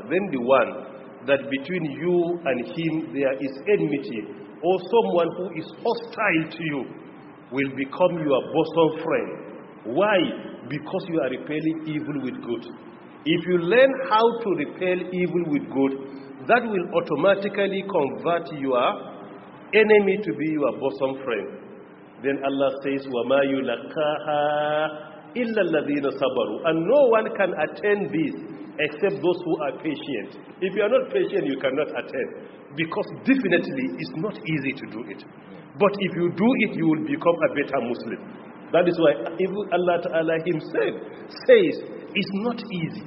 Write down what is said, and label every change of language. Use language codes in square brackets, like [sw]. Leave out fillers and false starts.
[en] Then the one that between you and him there is enmity, or someone who is hostile to you, will become your bosom friend. Why? Because you are repelling evil with good. If you learn how to repel evil with good, that will automatically convert your enemy to be your bosom friend. Then Allah says, [ar] وَمَا يُلَقَّاهَا إِلَّا الَّذِينَ صَبَرُوا. [en] And no one can attend this except those who are patient. If you are not patient, you cannot attend. Because definitely, it's not easy to do it. But if you do it, you will become a better Muslim. That is why even Allah Ta'ala Himself says, it's not easy.